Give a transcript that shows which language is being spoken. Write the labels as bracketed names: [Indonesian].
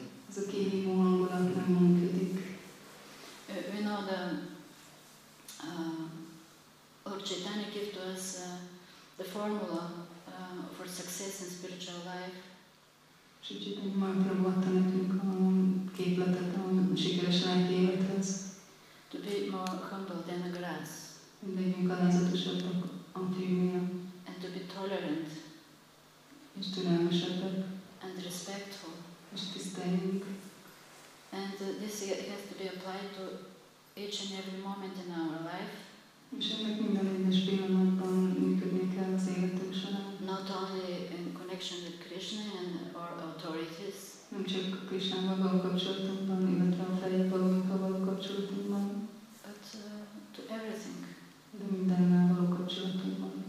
[Hungarian] Ez a kihívó hangulat nem működik. [English] We know the Lord Chaitanya gave to us the formula for success in spiritual life. [Hungarian] Csicsitani már próbálta nekünk a képletet a sikeres lelki élethez. [English] To be more humble than a grass. [Hungarian] Legyünk alázatosabbak a fiúja. [English] And to be tolerant. [Hungarian] És türelmesebbek. [English] And respectful. [Hungarian] És tiszteljünk. [English] And this has to be applied to each and every moment in our life. [Hungarian] És ennek minden egyes pillanatban működni kell az életünk során. [English] Not only in connection with Krishna and our authorities. [Hungarian] Nem csak Krishnával való kapcsolatunkban, illetve a feljebbalókkal való kapcsolatunkban. [English] But to everything. [Hungarian] De mindennel való kapcsolatunkban.